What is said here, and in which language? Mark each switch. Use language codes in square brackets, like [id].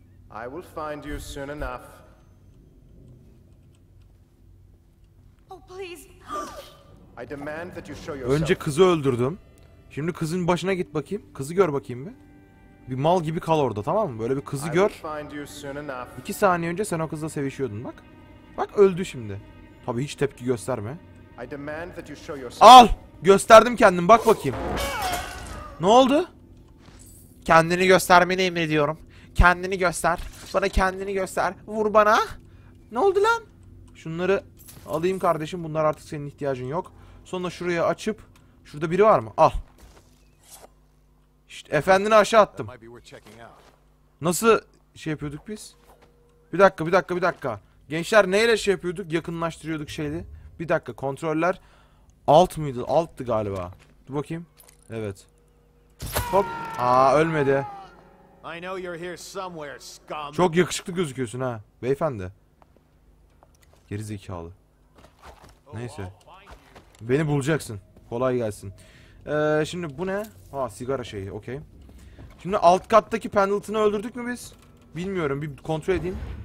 [en] I will find you soon enough. Oh please. I demand that you show yourself. [tr] Önce kızı öldürdüm. Şimdi kızın başına git bakayım. Kızı gör bakayım bir. Bir mal gibi kal orada tamam mı? Böyle bir kızı gör. [en] I will find you soon enough. [tr] 2 saniye önce sen o kızla sevişiyordun bak. Bak öldü şimdi. Tabii hiç tepki gösterme. [en] I demand that you show yourself. [tr] Al! Gösterdim kendim bak bakayım. Ne oldu? Kendini göstermeni emrediyorum. Kendini göster. Bana kendini göster. Vur bana. Ne oldu lan? Şunları alayım kardeşim. Bunlar artık senin ihtiyacın yok. Sonra şurayı açıp. Şurada biri var mı? Al. İşte efendini aşağı attım. Nasıl şey yapıyorduk biz? Bir dakika, bir dakika, bir dakika. Gençler neyle şey yapıyorduk? Yakınlaştırıyorduk şeydi. Bir dakika kontroller. Alt mıydı? Alttı galiba. Dur bakayım. Evet. Hop. Aa ölmedi. [en] I know you're here somewhere, scum. [tr] Çok yakışıklı gözüküyorsun ha, beyefendi. Geri zekalı. Neyse. Beni bulacaksın. Kolay gelsin. Şimdi bu ne? Ha, sigara şeyi, okey. Şimdi alt kattaki Pendleton'ı öldürdük mü biz? Bilmiyorum, bir kontrol edeyim.